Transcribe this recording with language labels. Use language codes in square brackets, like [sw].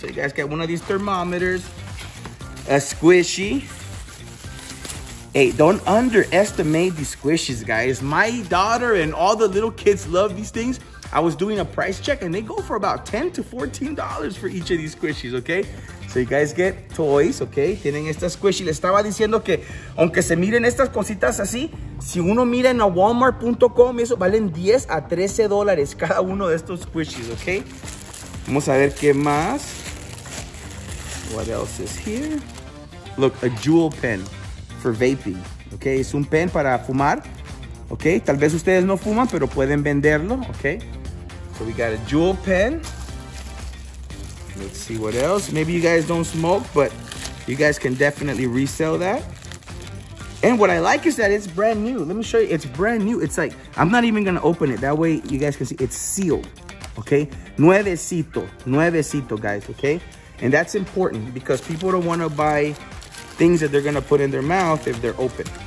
[en] So you guys got one of these thermometers. A squishy. Hey, don't underestimate these squishies, guys. My daughter and all the little kids love these things. I was doing a price check and they go for about $10 to $14 for each of these squishies, okay? So you guys get toys, okay? [es] Tienen estas squishies. Les estaba diciendo que aunque se miren estas cositas así, si uno mira en walmart.com, eso valen $10 a $13 cada uno de estos squishies, okay? Vamos a ver qué más. [en] What else is here? Look, a jewel pen for vaping, okay? [es] Es un pen para fumar. [en] ¿ok? [es] Tal vez ustedes no fuman, pero pueden venderlo, ¿ok? [en] So we got a jewel pen. Let's see what else. Maybe you guys don't smoke, but you guys can definitely resell that. And what I like is that it's brand new. Let me show you, it's brand new. It's like, I'm not even gonna open it. That way you guys can see it's sealed, okay? [es] Nuevecito, nuevecito, [en] guys, okay? And that's important because people don't wanna buy things that they're gonna put in their mouth if they're open.